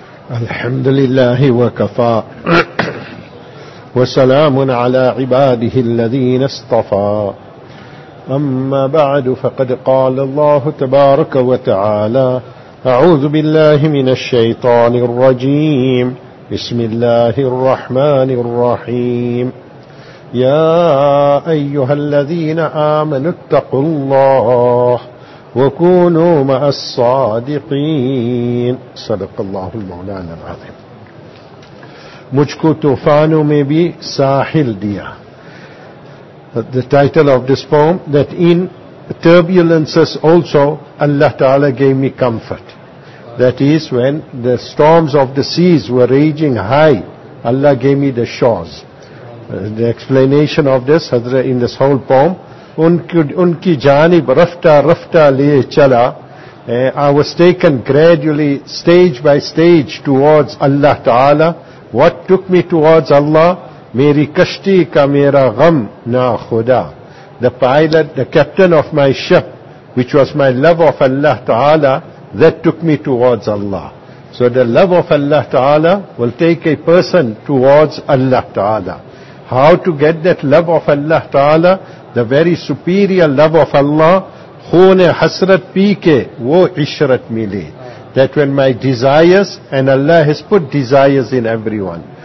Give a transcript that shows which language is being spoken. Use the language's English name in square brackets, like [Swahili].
[Arabic] الحمد لله وكفى وسلام على عباده الذين اصطفى، أما بعد فقد قال الله تبارك وتعالى، أعوذ بالله من الشيطان الرجيم، بسم الله الرحمن الرحيم، يا أيها الذين آمنوا اتقوا الله وكونوا مع الصادقين، صدق الله المولانا العظيم. [Urdu] مجھ کو طوفانوں میں بھی ساحل دیا. [English] The title of this poem, that in turbulences also Allah Ta'ala gave me comfort. That is, when the storms of the seas were raging high, Allah gave me the shores. The explanation of this, Hazrat, in this whole poem, [Urdu] ان کی جانب رفتہ رفتہ لے چلا، [English] I was taken gradually, stage by stage, towards Allah Ta'ala. What took me towards Allah? [Urdu] میری کشتی کا میرا غم نہ خدا. [English] The pilot, the captain of my ship, which was my love of Allah Ta'ala, that took me towards Allah. So the love of Allah Ta'ala will take a person towards Allah Ta'ala. How to get that love of Allah Ta'ala? The very superior love of Allah, [Urdu] khun hasrat pi ke wo ishrat mile. [English] That when my desires, and Allah has put desires in everyone,